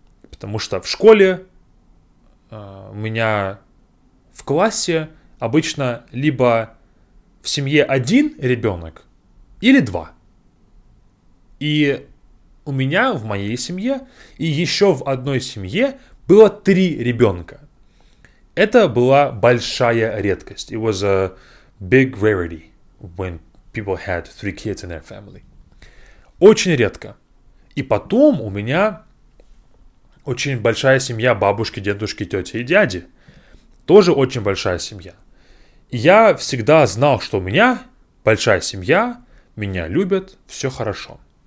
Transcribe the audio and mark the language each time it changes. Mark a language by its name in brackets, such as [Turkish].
[Russian] Потому что в школе у меня в классе обычно либо в семье один ребенок, или два. И у меня в моей семье и еще в одной семье было три ребенка. Это была большая редкость. [English] It was a big rarity when people had three kids in their family. [Russian] Очень редко. И потом у меня очень большая семья бабушки, дедушки, тети и дяди. Тоже очень большая семья. И я всегда знал, что у меня большая семья, меня любят, все хорошо.